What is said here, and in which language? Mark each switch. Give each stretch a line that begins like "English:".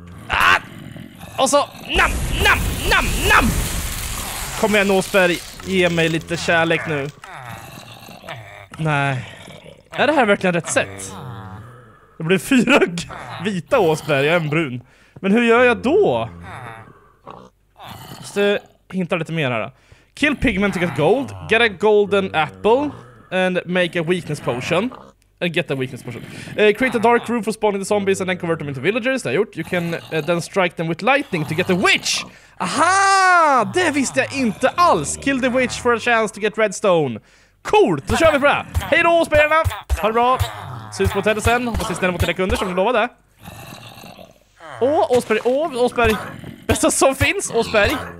Swedish: Ah! Och så... Nam, nam, nam, nam! Kom igen, Åsberg. Ge mig lite kärlek nu. Nej. Är det här verkligen rätt sätt? Det blir 4 vita Åsberg, en brun. Men hur gör jag då? Måste hinta lite mer här då.
English: Kill pigment to get gold, get a golden apple, and make a weakness potion. And get a weakness potion. Create a dark room for spawning the zombies and then convert them into villagers.
Swedish: Det har gjort.
English: You can then strike them with lightning to get a witch. Aha!
Swedish: Det visste jag inte alls.
English: Kill the witch for a chance to get redstone.
Swedish: Coolt! Då kör vi på det. Hej då, spelarna! Ha det bra! Syns på hotellet sen. Hoppas vi ställer mot dina kunder som du lovade. Åh, Åsberg. Åh, Åsberg. Bästa som finns, Åsberg.